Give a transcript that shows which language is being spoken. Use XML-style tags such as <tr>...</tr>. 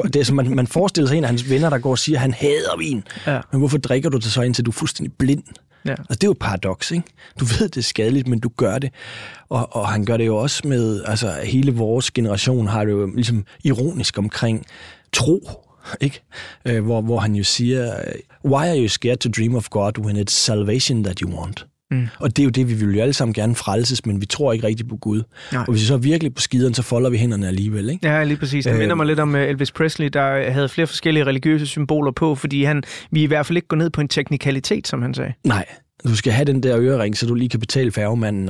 <da>Man forestiller sig en af hans venner, der går og siger, at han hader vin. Ja. Men hvorfor drikker du det så, indtil du er fuldstændig blind? Ja. Altså, det er jo et paradoks, ikke? Du ved, det er skadeligt, men du gør det. Og han gør det jo også med, altså, hele vores generation har det jo ligesom ironisk omkring tro, ikke? Hvor han jo siger,</da> <en>why are you scared to dream of God when it's salvation that you want? Mm.</en> <da>Og det er jo det, vi vil jo alle sammen gerne frelses, men vi tror ikke rigtigt på Gud. Nej. Og hvis vi så er virkelig på skideren, så folder vi hænderne alligevel, ikke? Ja, lige præcis. Det minder mig lidt om Elvis Presley, der havde flere forskellige religiøse symboler på, fordi han vi i hvert fald ikke går ned på en teknikalitet, som han sagde. Nej. Du skal have den der ørering, så du lige kan betale færgemanden.</da>